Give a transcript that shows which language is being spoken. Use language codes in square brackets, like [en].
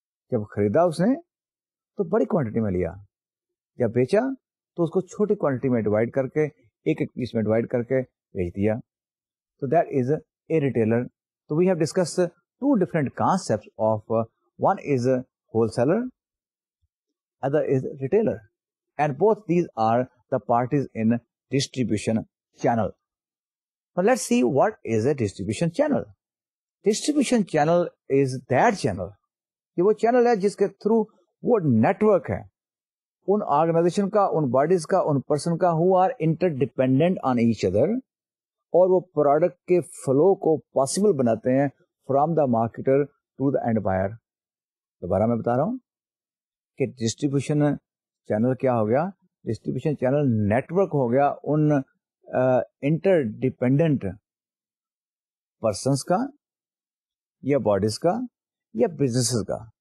[ur] جب خریدا اس نے تو بڑی کوانٹٹی میں لیا جب بیچا تو اس کو چھوٹی کوانٹٹی میں ڈیوائڈ کر کے ایک ایک پیس میں ڈیوائڈ کر کے بیچ دیا تو دیٹ از اے ریٹیلر تو [en] We have discuss two different concept of one is a wholesaler Other is retailer. And both these are the parties in distribution channel. Now let's see what is a distribution channel. Distribution channel is that channel. [ur] Ye wo channel hai jiske through wo network hai. [en] Un organization ka, un bodies ka, un person ka who are interdependent on each other. Aur wo product ke flow ko possible banate hain from the marketer to the end buyer. [ur] Dobara main bata raha hoon. کہ distribution channel کیا ہو گیا distribution channel network ہو گیا ان inter dependent persons کا یا bodies کا یا businesses کا